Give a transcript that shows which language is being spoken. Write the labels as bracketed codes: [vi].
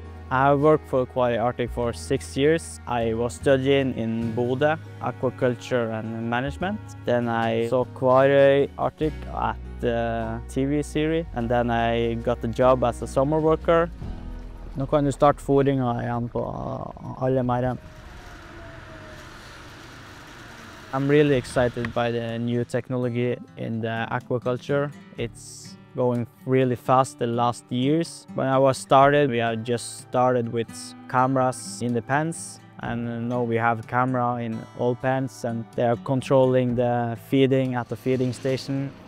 [en] I worked for Kvarøy Arctic for 6 years. I was studying in Bodø, aquaculture and management. Then I saw Kvarøy Arctic at the TV series, and then I got a job as a summer worker. [no] Nå kan du starte fôringa igjen på alle merdene. [en] I'm really excited by the new technology in the aquaculture. It's going really fast the last years. When I was started, we had just started with cameras in the pens, and now we have camera in all pens, and they are controlling the feeding at the feeding station.